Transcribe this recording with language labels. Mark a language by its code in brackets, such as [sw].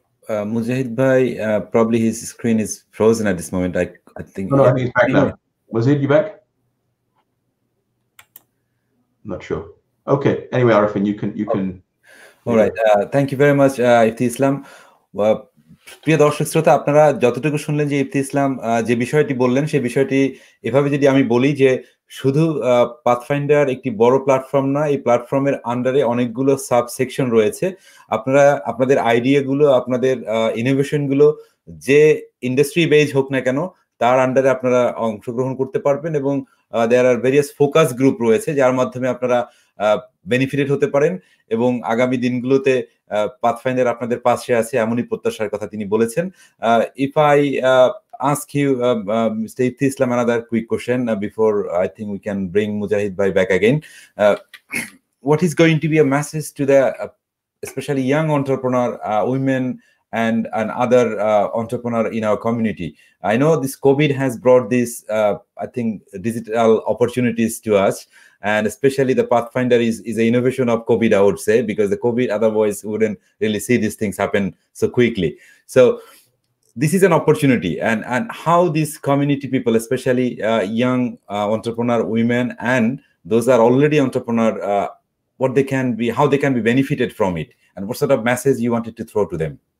[en] Muzahid bhai, probably his screen is frozen at this moment. I think he's back now. Muzahid, you back? Not sure. Okay. Anyway, Arefin, you can. All right. Thank you very much, Ifty Islam. [bn] প্রিয় দর্শক শ্রোতা, আপনারা যতটুকু শুনলেন যে ইফতি ইসলাম যে বিষয়টি বললেন সেই বিষয়টি এভাবে যদি আমি বলি যে শুধু পাথফাইন্ডার একটি বড় প্ল্যাটফর্ম না, এই প্ল্যাটফর্মের আন্ডারে অনেকগুলো সাব সেকশন রয়েছে। আপনারা আপনাদের আইডিয়াগুলো, আপনাদের ইনোভেশনগুলো যে ইন্ডাস্ট্রি বেজ হোক না কেন, তার আন্ডারে আপনারা অংশগ্রহণ করতে পারবেন এবং [en] there are various focus group [bn] রয়েছে যার মাধ্যমে আপনারা বেনিফিটেড হতে পারেন এবং আগামী দিনগুলোতে পাথফাইন্ডার আপনাদের পাশে আছে এমনই প্রত্যাশার কথা তিনি বলেছেন। [en] If I ask you mister Ifti Islam another quick question before I think we can bring Mujahid ভাই back again, what is going to be a message to the specially young entrepreneur women and other entrepreneur in our community? I know this COVID has brought this, I think, digital opportunities to us, and especially the Pathfinder is an innovation of COVID, I would say, because the COVID otherwise wouldn't really see these things happen so quickly. So this is an opportunity, and how these community people, especially young entrepreneur women and those are already entrepreneur, how they can be benefited from it, and what sort of message you wanted to throw to them?